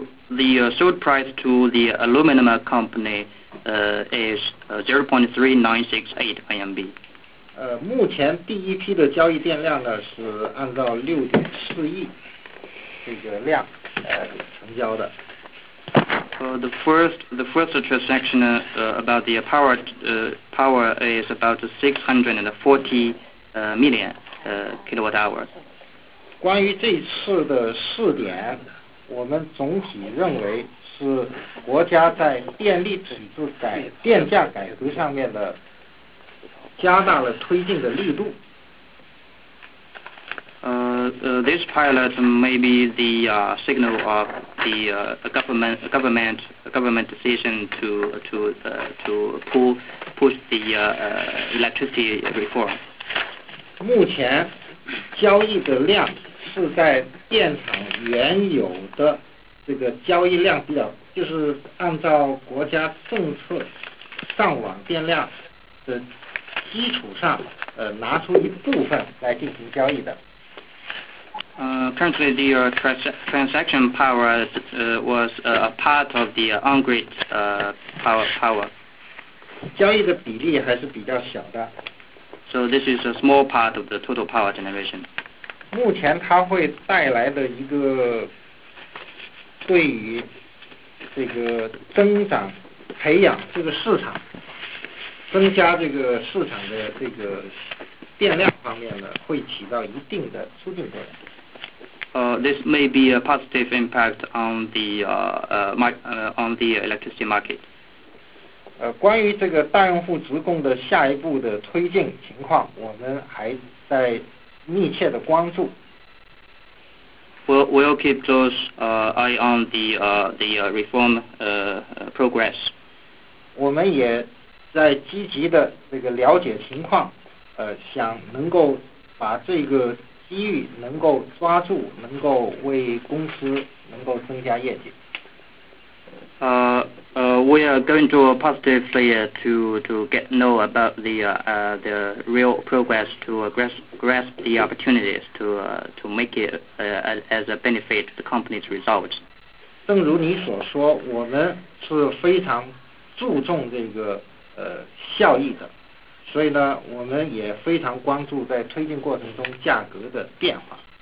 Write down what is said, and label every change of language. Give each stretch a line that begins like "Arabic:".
English: The sold price to the aluminum company is 0.3968 IMB.
Chinese: 目前第一批的交易电量呢是按照6.4亿这个量成交的。
English: The first transaction about the power is about 640 million kilowatt hours.
Chinese: 关于这次的试点，我们总体认为是国家在电力体制改电价改革上面的加大了推进的力度。
English: This pilot may be the signal of the government decision to push the electricity reform.
Chinese: 目前交易的量是在电厂原有的这个交易量比较，就是按照国家政策上网电量的基础上，拿出一部分来进行交易的。
English: Currently, the transaction power was a part of the on-grid power.
Chinese: 交易的比例还是比较小的。
English: So this is a small part of the total power generation.
Chinese: 目前它会带来的一个对于这个增长、培养这个市场、增加这个市场的这个电量方面呢，会起到一定的促进作用。
English: This may be a positive impact on the on the electricity market.
Chinese: 关于这个大用户直供的下一步的推进情况，我们还在密切的关注。
English: We'll keep close eye on the reform progress.
Chinese: 我们也在积极的这个了解情况，想能够把这个机遇能够抓住，能够为公司能够增加业绩。
English: We are going to positively to get know about the real progress to grasp the opportunities to make it as a benefit to the company's results.
Chinese: 正如你所说，我们是非常注重这个效益的。所以呢，我们也非常关注在推进过程中价格的变化。